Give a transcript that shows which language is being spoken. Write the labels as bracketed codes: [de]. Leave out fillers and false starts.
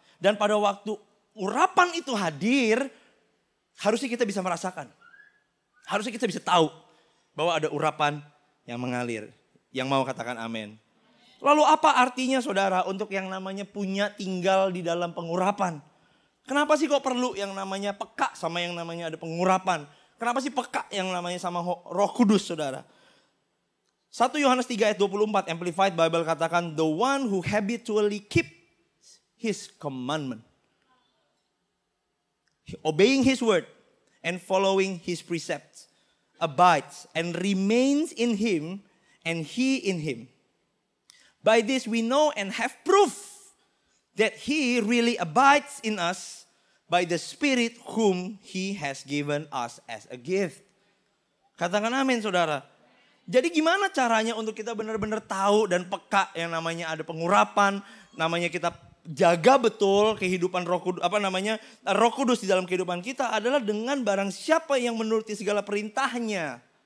[id] Dan pada waktu urapan itu hadir, harusnya kita bisa merasakan, harusnya kita bisa tahu bahwa ada urapan yang mengalir. Yang mau katakan amin. Lalu apa artinya saudara untuk yang namanya punya tinggal di dalam pengurapan? Kenapa sih kok perlu yang namanya peka sama yang namanya ada pengurapan? Kenapa sih peka yang namanya sama Roh Kudus saudara? [en] 1 Yohanes 3 ayat 24 Amplified Bible katakan the one who habitually keeps his commandment, obeying his word and following his precepts, abides and remains in him and he in him. By this we know and have proof that he really abides in us by the spirit whom he has given us as a gift. [id] Katakan amin saudara. Jadi gimana caranya untuk kita benar-benar tahu dan peka yang namanya ada pengurapan, namanya kita jaga betul kehidupan Roh Kudus di dalam kehidupan kita adalah dengan barang siapa yang menuruti segala perintahnya.